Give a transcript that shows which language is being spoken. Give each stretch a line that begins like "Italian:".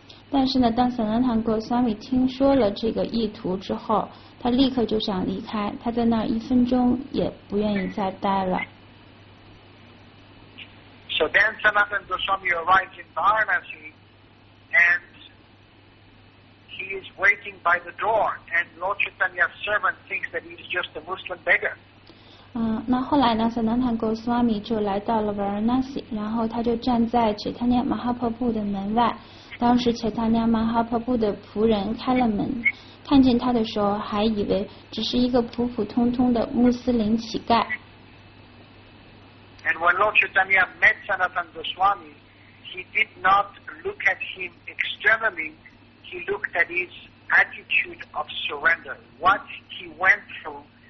Chinese: 但是呢，当 Sanatana Goswami 听说了这个意图之后，他立刻就想离开。他在那一分钟也不愿意再待了。
English: So then Sanatana Goswami arrives in Varanasi, and he is waiting by the door. And Lord Chaitanya's servant thinks that he is just a Muslim beggar.
Chinese: 那后来呢 ，Sanatana Goswami 就来到了 Varanasi， 然后他就站在 Chaitanya Mahaprabhu 的门外。当时 Chaitanya Mahaprabhu 的仆人开了门，看见他的时候，还以为只是一个普普通通的穆斯林乞丐。
English: And when Lord Chaitanya met Sanatana Goswami, he did not look at him externally. He looked at his attitude of surrender, what he went through.